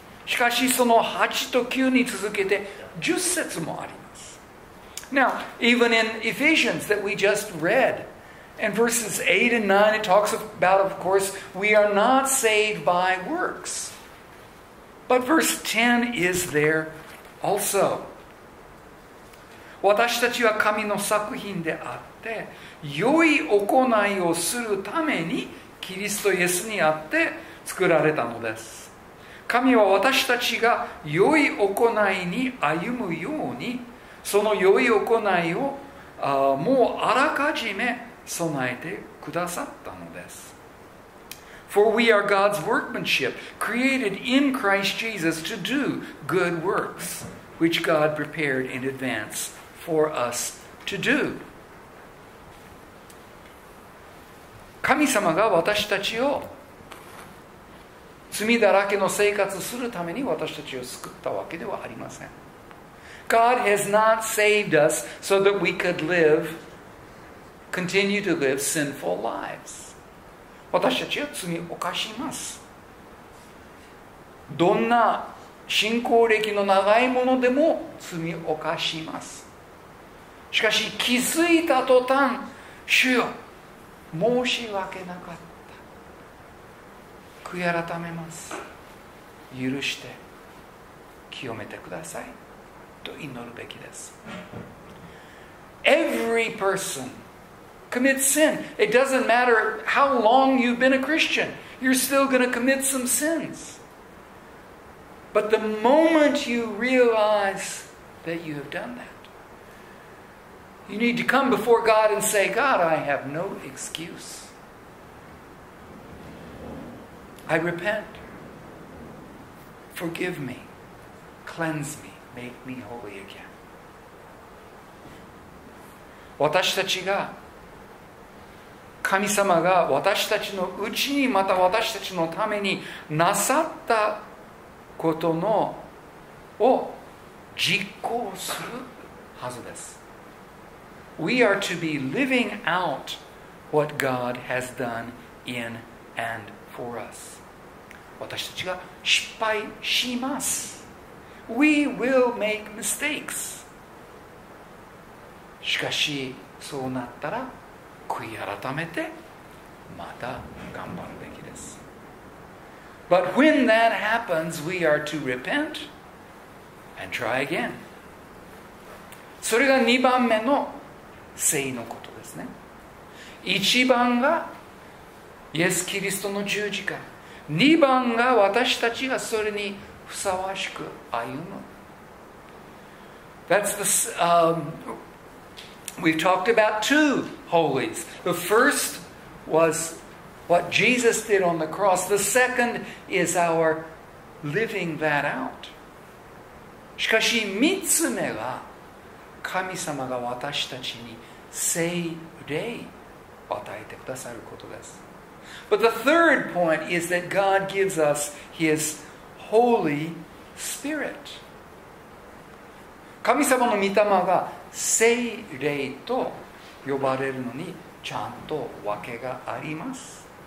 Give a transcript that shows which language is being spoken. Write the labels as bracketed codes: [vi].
[ja] しかしその8と9に続けて10節もあります。 [en] Now even in Ephesians that we just read in verses 8 and 9 it talks about of course we are not saved by works but verse 10 is there also。 [ja] 私たちは神の作品であって、良い行いをするために、キリストイエスにあって作られたのです。神は私たちが良い行いに歩むように、その良い行いをもうあらかじめ備えてくださったのです。 [en] For we are God's workmanship, created in Christ Jesus to do good works, which God prepared in advance. For us to do. [ja] 神様が私たちを罪だらけの生活するために私たちを救ったわけではありません。 [en] God has not saved us so that we could continue to live sinful lives. [ja] 私たちは罪を犯します。どんな信仰歴の長いものでも罪を犯します。しかし気づいた途端、主よ申し訳なかった。悔い改めます。許して清めてくださいと祈るべきです。 [en] Every person commits sin. It doesn't matter how long you've been a Christian. You're still going to commit some sins. But the moment you realize that you have done that, you need to come before God and say, God, I have no excuse. I repent. Forgive me. Cleanse me. Make me holy again. [ja] 私たちが、神様が私たちのうちに、また私たちのためになさったことのを実行するはずです。 [en] We are to be living out what God has done in and for us. [ja] 私たちが失敗します。 [en] We will make mistakes. [ja] しかし、そうなったら悔い改めてまた頑張るべきです。 [en] But when that happens, we are to repent and try again. [ja] それが2番目の聖のことですね。 1番がイエス・キリストの十字架。 2番が私たちがそれにふさわしく歩む。 [en] That's the, we've talked about two holies. The first was what Jesus did on the cross. The second is our living that out. [ja] しかし三つ目は神様が私たちに聖霊を与えてくださることです。 [en] But the third point is that God gives us His Holy Spirit. [ja] 神様の御霊が聖霊と呼ばれるのにちゃんと訳があります。